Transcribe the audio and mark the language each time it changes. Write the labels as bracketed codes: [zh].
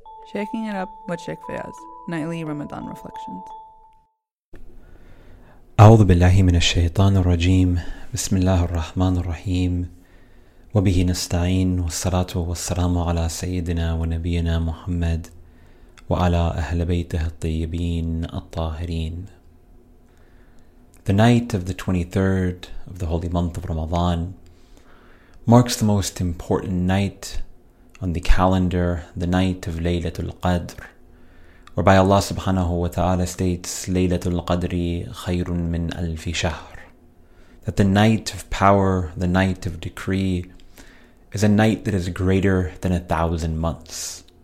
[en] Shaking it up with Sheikh Fayaz, nightly Ramadan reflections. [ar] أعوذ بالله من الشيطان الرجيم بسم الله الرحمن الرحيم وبه نستعين والصلاة والسلام على سيدنا ونبينا محمد وعلى أهل بيته الطيبين الطاهرين. [en] The night of the 23rd of the holy month of Ramadan marks the most important night on the calendar, the night of Laylatul Qadr, whereby Allah subhanahu wa ta'ala states, [ar] Laylatul Qadri khayrun min alfi shahr, [en] that the night of power, the night of decree, is a night that is greater than 1,000 months.